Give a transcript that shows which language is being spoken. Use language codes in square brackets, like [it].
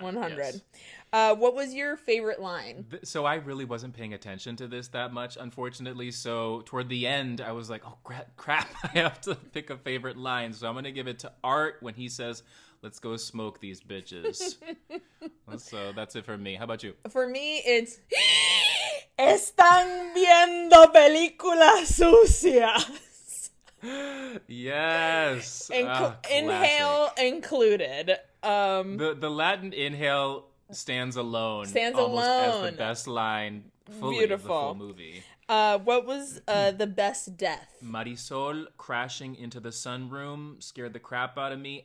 [en] 100. Yes. What was your favorite line? So I really wasn't paying attention to this that much, unfortunately. So toward the end, I was like, oh, crap. I have to pick a favorite line. So I'm going to give it to Art when he says, let's go smoke these bitches. So that's it for me. How about you? For me, it's, [es] están viendo películas sucias. [en] Yes. Inhale included. The Latin inhale stands alone. Stands alone. As the best line fully of the full movie. What was the best death? Marisol crashing into the sunroom scared the crap out of me.